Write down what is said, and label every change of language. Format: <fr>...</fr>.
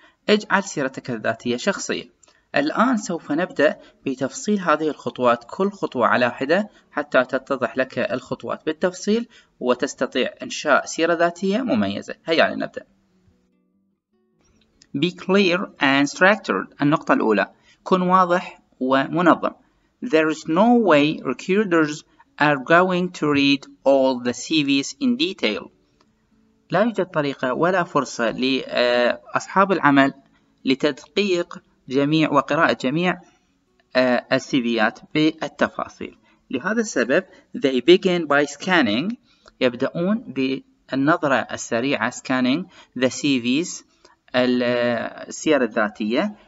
<ar>اجعل سيرتك الذاتية شخصية. الآن سوف نبدأ بتفصيل هذه الخطوات، كل خطوة على حدة، حتى تتضح لك الخطوات بالتفصيل وتستطيع إنشاء سيرة ذاتية مميزة. هيا لنبدأ.</ar> <en>Be clear and structured.</en> <ar>النقطة الأولى: كن واضح ومنظم.</ar> <en>There is no way recruiters are going to read all the CVs in detail.</en> <ar>لا يوجد طريقة ولا فرصة لأصحاب العمل لتدقيق جميع وقراءة جميع السيفيات بالتفاصيل. لهذا السبب</ar> <en>they begin by scanning.</en> <ar>يبدأون بالنظرة السريعة،</ar> <en>scanning the CVs،</en> <ar>السير الذاتية.</ar>